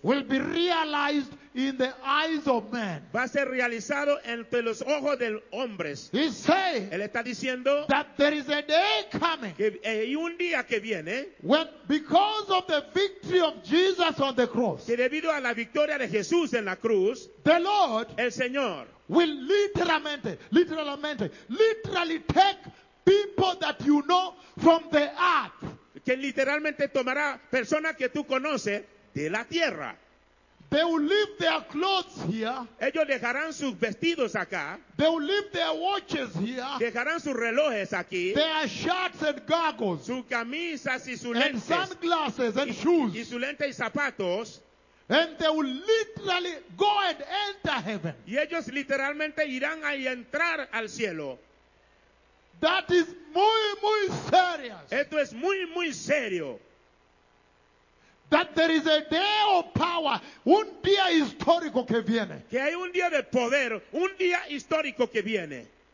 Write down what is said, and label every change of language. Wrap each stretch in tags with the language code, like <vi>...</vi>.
<en>Will be realized in the eyes of men.</en> <es>Va a ser realizado entre los ojos del hombres.</es> <en>He say.</en> <es>Él está diciendo.</es> <en>That there is a day coming.</en> <es>Que hay un día que viene.</es> <en>When because of the victory of Jesus on the cross.</en> <es>Que debido a la victoria de Jesús en la cruz.</es> <en>The Lord.</en> <es>El Señor.</es> <en>Will literally take people that you know from the earth.</en> <es>Que literalmente tomará personas que tú conoces de la tierra.</es> <en>They will leave their clothes here.</en> <es>Ellos dejarán sus vestidos acá.</es> <en>They will leave their watches here.</en> <es>Dejarán sus relojes aquí.</es> <en>Their shirts and goggles.</en> <es>Sus camisas y sus lentes.</es> <en>And sunglasses and shoes.</en> <es>Y sus lentes y zapatos.</es> <en>And they will literally go and enter heaven.</en> <es>Y ellos literalmente irán a entrar al cielo.</es> <en>That is</en> <es>muy, muy</es> <en>serious.</en> <es>Esto es muy, muy serio.</es> <en>That there is a day of power.</en> <es>Un día histórico que viene. Que hay un día de poder. Un día histórico que viene.</es>